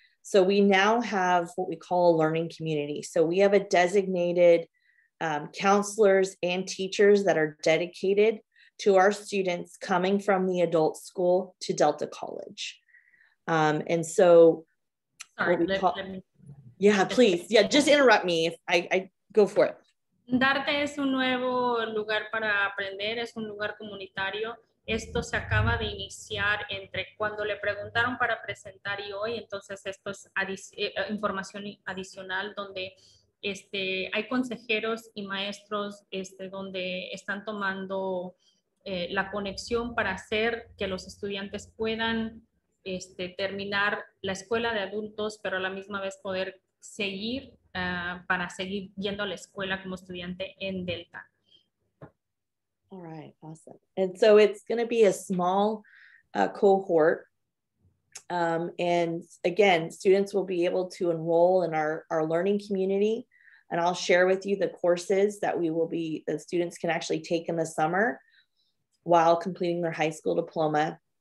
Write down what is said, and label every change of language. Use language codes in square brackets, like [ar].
[en] So we now have what we call a learning community. So we have a designated counselors and teachers that are dedicated to our students coming from the adult school to Delta College. And so, just interrupt me if I go for it. [es] Darte es un nuevo lugar para aprender, es un lugar comunitario. Esto se acaba de iniciar entre cuando le preguntaron para presentar y hoy. Entonces, esto es información adicional donde hay consejeros y maestros donde están tomando la conexión para hacer que los estudiantes puedan terminar la escuela de adultos, pero a la misma vez poder seguir para seguir yendo a la escuela como estudiante en Delta. [en] All right, awesome. And so it's going to be a small cohort. And again, students will be able to enroll in our learning community. And I'll share with you the courses that the students can actually take in the summer while completing their high school diploma.